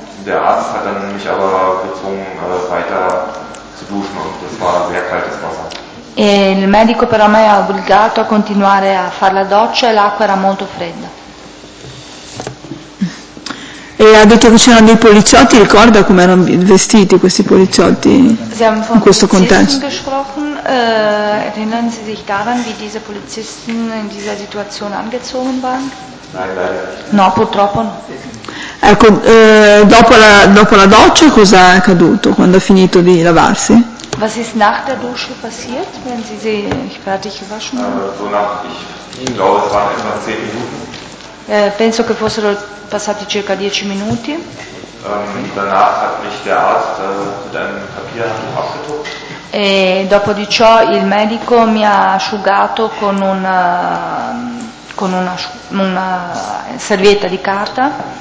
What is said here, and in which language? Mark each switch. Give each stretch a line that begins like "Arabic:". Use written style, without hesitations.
German: Der Arzt hat dann mich aber gezwungen, weiter zu duschen, und das war sehr kaltes Wasser.
Italian: E il medico però mi ha obbligato a continuare a fare la doccia e l'acqua era molto fredda. E ha detto che c'erano dei poliziotti, ricorda come erano vestiti questi poliziotti in questo contesto?
German: Erinnern Sie sich daran, wie diese Polizisten in dieser Situation angezogen waren?
Italian: No, purtroppo no. Ecco, dopo la doccia cosa è accaduto quando ha finito di lavarsi?
German: Was ist nach der Dusche passiert, wenn Sie sich fertig gewaschen haben? Ich glaube, es waren etwa 10 Minuten.
Italian: Penso che fossero passati circa 10 Minuti.
German: Danach hat mich der Arzt mit einem Papierhandtuch abgetupft.
Italian: E dopo di ciò il medico mi ha asciugato con una servietta di carta.